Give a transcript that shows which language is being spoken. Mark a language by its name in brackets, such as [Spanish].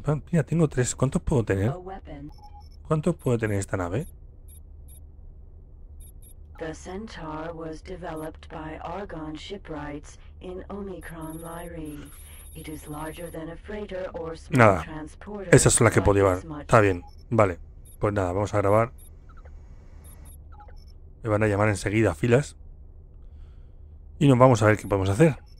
[Spanish] Mira, tengo tres. ¿Cuántos puedo tener? ¿Cuántos puedo tener esta nave? [English] The Centaur was developed by Argon shipwrights in Omicron Lyrae. It is larger than a freighter or small transporter. [Spanish] Nada. Esas son las que puedo llevar. Está bien. Vale. Pues nada, vamos a grabar. Me van a llamar enseguida a filas. Y nos vamos a ver qué podemos hacer.